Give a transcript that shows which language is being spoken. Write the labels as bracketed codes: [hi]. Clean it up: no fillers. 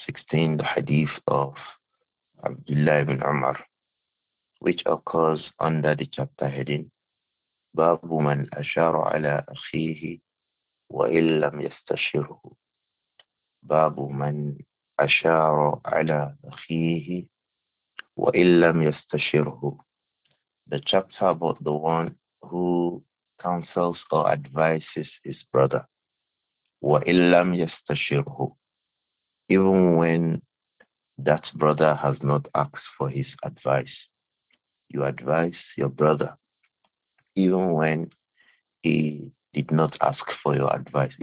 [en] The Hadith of Abdullah ibn Umar, which occurs under the chapter heading [ar] Babu Man Ashara Ala Akhihi وإن لم يستشره. باب من أشار على أخيه وإن لم يستشره. [en] The chapter about the one who counsels or advises his brother. [ar] وإن لم يستشره. [en] Even when that brother has not asked for his advice, you advise your brother, even when he did not ask for your advice.